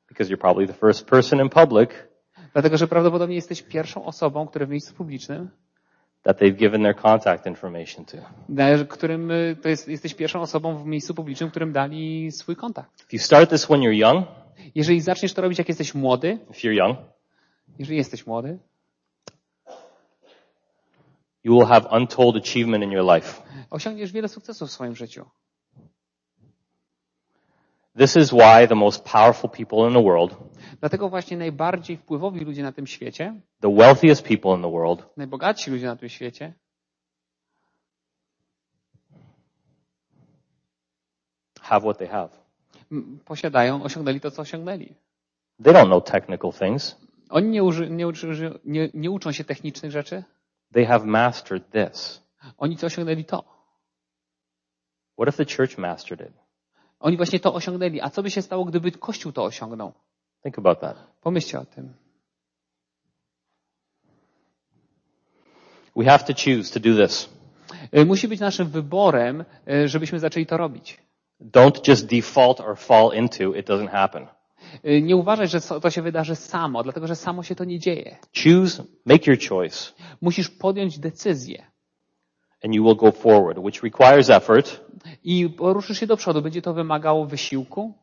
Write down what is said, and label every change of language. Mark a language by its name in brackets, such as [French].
[English] Because you're probably the first person in public. [Polish] Dlatego, że prawdopodobnie jesteś pierwszą osobą, która w miejscu publicznym. [English] That they've given their contact information to. [Polish] Którym to jesteś pierwszą osobą w miejscu publicznym, którym dali swój kontakt. [English] If you start this when you're young. [Polish] Jeżeli zaczniesz to robić, jak jesteś młody. [English] If you're young. [Polish] Jeżeli jesteś młody. [English] You will have untold achievement in your life. [Polish] Osiągniesz wiele sukcesów w swoim życiu. [English] This is why the most powerful people in the world. [Polish] Dlatego właśnie najbardziej wpływowi ludzie na tym świecie. [English] The wealthiest people in the world. [Polish] Najbogatsi ludzie na tym świecie. [English] Have what they have. [Polish] Posiadają, osiągnęli to, co osiągnęli. [English] They don't know technical things. [Polish] Oni nie uczą się technicznych rzeczy. [English] They have mastered this. [Polish] Oni to osiągnęli to. [English] What if the church mastered it? [Polish] Oni właśnie to osiągnęli. A co by się stało, gdyby Kościół to osiągnął? [English] Think about that. [Polish] Pomyślcie o tym. [English] We have to choose to do this. [Polish] Musi być naszym wyborem, żebyśmy zaczęli to robić. [English] Don't just default or fall into it doesn't happen. [Polish] Nie uważaj, że to się wydarzy samo, dlatego że samo się to nie dzieje. [English] Choose, make your choice. [Polish] Musisz podjąć decyzję. [English] And you will go forward, which requires effort. [Polish] I poruszysz się do przodu, będzie to wymagało wysiłku.